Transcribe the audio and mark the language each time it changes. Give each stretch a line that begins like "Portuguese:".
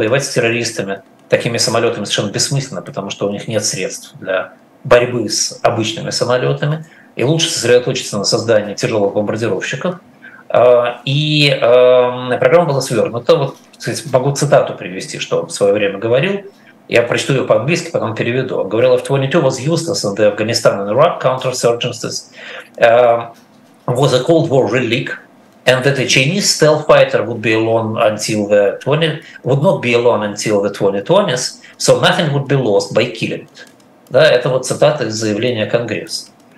Russian: Воевать с террористами такими самолетами совершенно бессмысленно, потому что у них нет средств для борьбы с обычными самолетами, и лучше сосредоточиться на создании тяжелых бомбардировщиков. И программа была свернута. Вот, кстати, могу цитату привести, что он в свое время говорил. Я прочту ее по-английски, потом переведу. Он говорил,
English: F-22 was useless in the Afghanistan and Iraq counterinsurgencies, was a Cold War relic, and that a Chinese stealth fighter would be alone until the 20, would not be alone until the 2020s, so nothing would be lost by killing it.
Russian: Да, это вот цитата из заявления Конгресса.